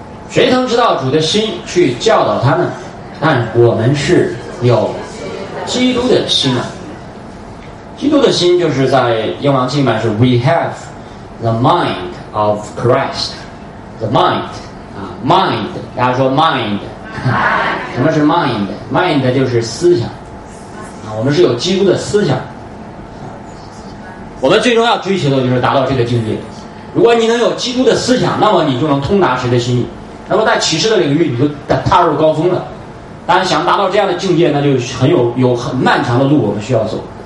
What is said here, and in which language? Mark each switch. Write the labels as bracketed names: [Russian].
[Chinese] 谁能知道主的心去教导他呢？但我们是有基督的心啊。基督的心就是在英文翻译是 [English] We have the mind of Christ. The mind, mind, [Chinese] 大家说 [English] mind, [Chinese] 什么是 [English] mind? [Chinese] Mind 就是思想啊，我们是有基督的思想。我们最终要追求的就是达到这个境界。如果你能有基督的思想，那么你就能通达神的心意。那么在启示的领域，你就踏入高峰了。当然，想达到这样的境界，那就很有很漫长的路，我们需要走。